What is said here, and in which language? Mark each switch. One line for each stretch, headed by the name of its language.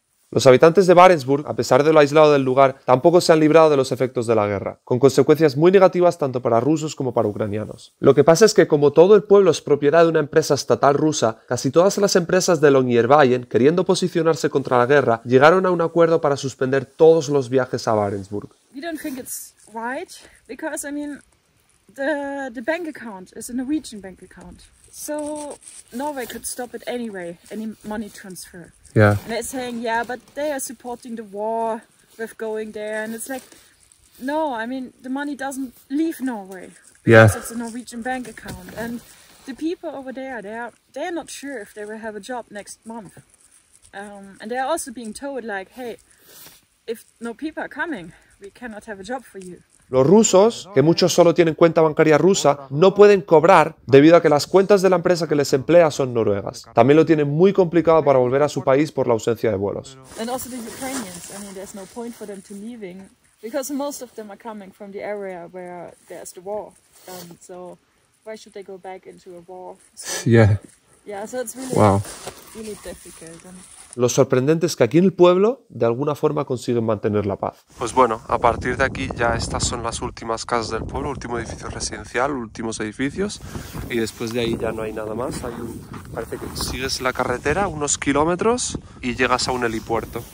Spanish: Los habitantes de Barentsburg, a pesar de lo aislado del lugar, tampoco se han librado de los efectos de la guerra, con consecuencias muy negativas tanto para rusos como para ucranianos. Lo que pasa es que como todo el pueblo es propiedad de una empresa estatal rusa, casi todas las empresas de Longyearbyen, queriendo posicionarse contra la guerra, llegaron a un acuerdo para suspender todos los viajes a Barentsburg.
English: We don't think it's right because I mean the bank account is a Norwegian bank account. So Norway could stop it anyway, any money transfer. Yeah. And they're saying, yeah, but they are supporting the war with going there. And it's like, no, I mean, the money doesn't leave Norway. Because yeah. It's a Norwegian bank account. And the people over there, they're not sure if they will have a job next month. And they're also being told, like, hey, if no people are coming, we cannot have a job for you.
Spanish: Los rusos, que muchos solo tienen cuenta bancaria rusa, no pueden cobrar debido a que las cuentas de la empresa que les emplea son noruegas. También lo tienen muy complicado para volver a su país por la ausencia de vuelos.
English: And also the Ukrainians, I mean, there's no point for them to leaving because most of them are coming from the area where there's the war. So why should they go back into a war? So it's really difficult.
Spanish: Lo sorprendente es que aquí en el pueblo, de alguna forma, consiguen mantener la paz. Pues bueno, a partir de aquí ya estas son las últimas casas del pueblo, último edificio residencial, últimos edificios. Y después de ahí ya no hay nada más. Parece que sigues la carretera unos kilómetros y llegas a un helipuerto.